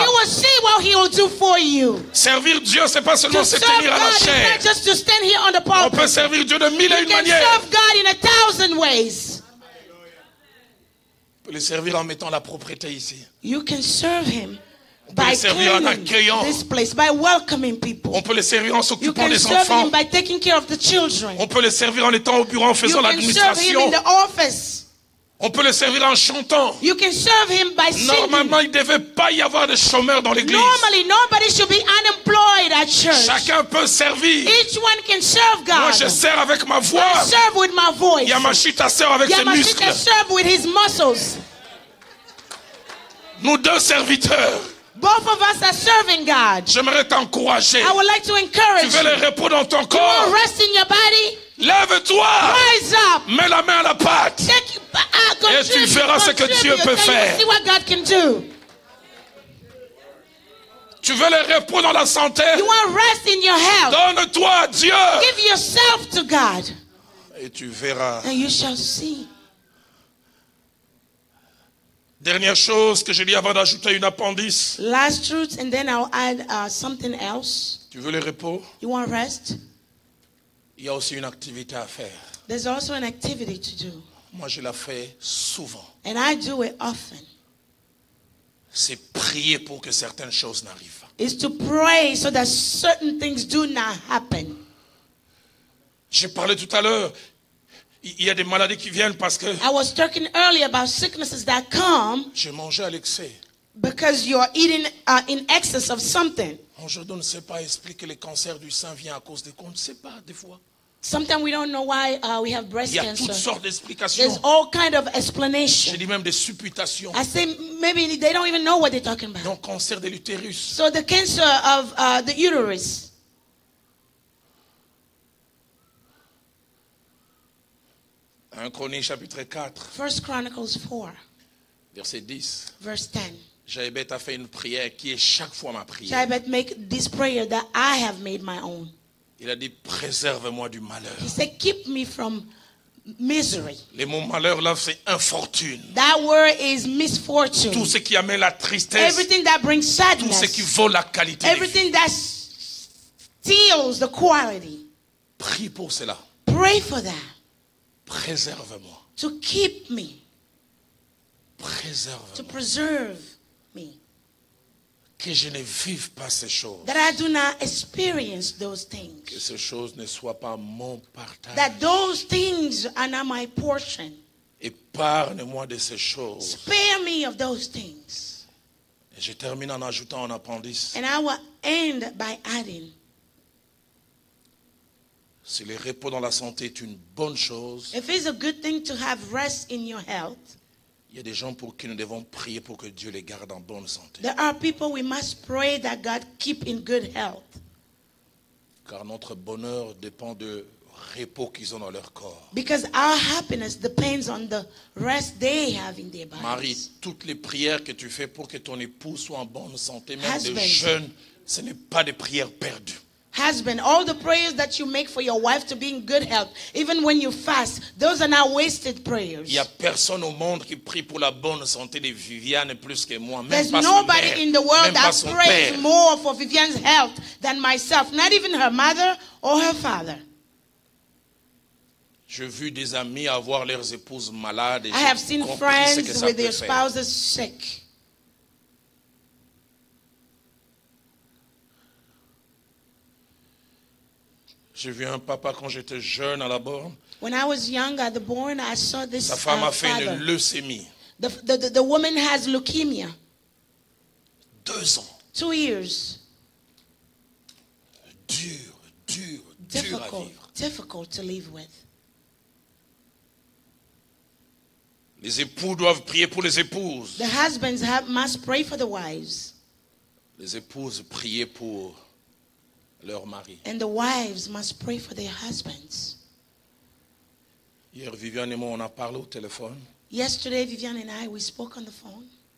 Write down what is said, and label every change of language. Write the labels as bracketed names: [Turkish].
[English] And you will see what he will do for you. [French] Servir Dieu, ce n'est pas seulement se tenir à la chair. On, the on peut servir Dieu de mille [English] you [French] et une manières. [English] You can serve God in a thousand ways. [French] On peut le servir en mettant la propreté ici. [English] You can serve him by cleaning this place, by welcoming people. [French] On peut le servir en s'occupant des enfants. [English] You can serve him by taking care of the children. [French] On peut le servir en étant au bureau en faisant l'administration. [English] You can serve him in the office. [French] On peut le servir en chantant. [English] You can serve him by singing. [French] Normalement, il ne devait pas y avoir de chômeurs dans l'église. [English] Normally, nobody should be unemployed at church. [French] Chacun peut servir. [English] Each one can serve God. [French] Moi, je sers avec ma voix. [English] I serve with my voice. [French] Yamashita sert avec ses muscles. [English] Yamashita serve with his muscles. [French] Nous deux serviteurs. [English] Both of us are serving God. [French] J'aimerais t'encourager. [English] I would like to encourage [French] tu veux [English] you. [French] Le repos dans ton corps. [English] You want rest in your body? [French] Lève-toi. [English] Rise up. [French] Mets la main à la pâte. Et tu verras ce que Dieu peut faire. [English] See what God can do. [French] Tu veux le repos dans la santé? [English] You want rest in your health. [French] Donne-toi à Dieu. [English] Give yourself to God. [French] Et tu verras. [English] And you shall see. [French] Dernière chose que j'ai dit avant d'ajouter une appendice. [English] Last truth and then I'll add something else. [French] Tu veux le repos? [English] You want rest? [French] Il y a aussi une activité à faire. [English] There's also an activity to do. [French] Moi, je la fais souvent. [English] And I do it often. [French] C'est prier pour que certaines choses n'arrivent pas. [English] It's to pray so that certain things do not happen. [French] J'ai parlé tout à l'heure. Il y a des maladies qui viennent parce que [English] I was talking earlier about sicknesses that come. [French] J'ai mangé à l'excès. [English] Because you are eating in excess of something. [French] Aujourd'hui, on ne sait pas expliquer le cancer du sein vient à cause de qu'on ne sait pas des fois. [English] Sometimes we don't know why we have breast cancer. [French] Il y a [English] cancer. [French] Toutes sortes d'explications. [English] There's all kind of explanations. [French] J'ai dit même des supputations. [English] I say maybe they don't even know what they're talking about. [French] Donc cancer de l'utérus. [English] So the cancer of the uterus. [French] 1 Chroniques chapitre 4. [English] 1 Chronicles 4. [French] Verset 10. [English] Verse 10. [French] Jabez a fait une prière qui est chaque fois ma prière. [English] Jabez make this prayer that I have made my own. [French] Il a dit préserve-moi du malheur. [English] He said keep me from misery. [French] Le mot malheur là c'est infortune. [English] That word is misfortune. [French] Tout ce qui amène la tristesse. [English] Everything that brings sadness. [French] Tout ce qui vole la qualité. [English] Everything that steals the quality. [French] Prie pour cela. [English] Pray for that. [French] Préserve-moi. [English] To keep me. [French] Préserve-moi. [English] To preserve me. [French] Que je ne vive pas ces choses. [English] That I do not experience those things. [French] Que ces choses ne soient pas mon partage. [English] That those things are not my portion. [French] Épargne-moi de ces choses. [English] Spare me of those things. [French] Et je termine en ajoutant un appendice. [English] And I will end by adding. [French] Si le repos dans la santé est une bonne chose. [English] If it's a good thing to have rest in your health. [French] Il y a des gens pour qui nous devons prier pour que Dieu les garde en bonne santé. [English] There are people we must pray that God keep in good health. [French] Car notre bonheur dépend du repos qu'ils ont dans leur corps. [English] Because our happiness depends on the rest they have in their bodies. [French] Marie, toutes les prières que tu fais pour que ton époux soit en bonne santé, même de jeûne, ce n'est pas des prières perdues. [English] Husband, all the prayers that you make for your wife to be in good health, even when you fast, those are not wasted prayers. [French] Il y a personne au monde qui prie pour la bonne santé de Viviane plus que moi, même [English] There's [French] pas [English] nobody [French] mère, [English] in the world that prays more for Viviane's health than myself, not even her mother or her father. [French] J'ai vu des amis avoir leurs épouses malades et [English] I have seen friends with their [French] faire. [English] Spouses sick. [French] J'ai vu un papa quand j'étais jeune à la borne. [English] When I was young at the born, I saw this [French] Sa femme a fait [English] father. [French] Une leucémie. [English] The woman has leukemia. [French] 2 ans. [English] 2 years. [French] Dur [English] difficult, [French] à vivre. [English] Difficult to live with. [French] Les époux doivent prier pour les épouses. [English] The husbands must pray for the wives. [French] Les épouses prient pour leur mari. [English] And the wives must pray for their husbands. [French] Hier, Viviane et moi, on a parlé au téléphone. [English] Yesterday, Viviane and I, we spoke on the phone.